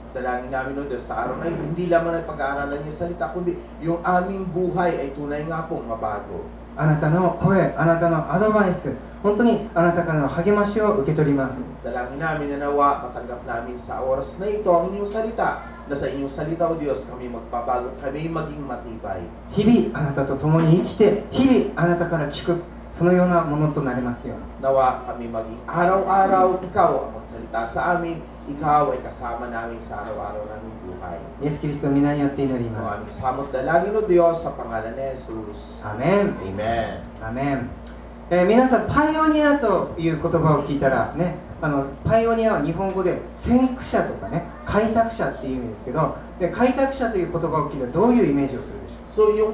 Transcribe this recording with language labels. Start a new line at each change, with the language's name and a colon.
Filipino: dalangin namin ng Diyos sa araw na ito, hindi lamang ay pag-aaralan yung salita kundi yung aming buhay ay tunay nga pong mabago.
Japanese: あなたの声、あなたのアドバイス、本当にあなたからの励ましを受け取ります。
Filipino: dalangin namin na nawa matanggap namin sa oras na ito ang inyong salita, na sa inyong salita o Diyos kami magbabago, kami maging matibay.
Japanese: 日々あなたと共に生きて日々あなたから聞く、そのようなものとなりますよ。
Filipino: nawa kami maging araw-araw ikaw ang magsalita sa amin, ikaw ay kasama namin sa araw-araw namin buhay.
Japanese: イエス・キリストの皆によって祈ります。
Filipino: nawa aming samot dalangin ng Diyos sa pangalan ni Jesus.
English: Amen. Amen. Amen.
Japanese: 皆さん、パイオニアという言葉を聞いたらね、あのパイオニアは日本語で先駆者とかね、開拓者っていう意味ですけど、で開拓者という言葉を聞いたらどういうイメージをするでしょう？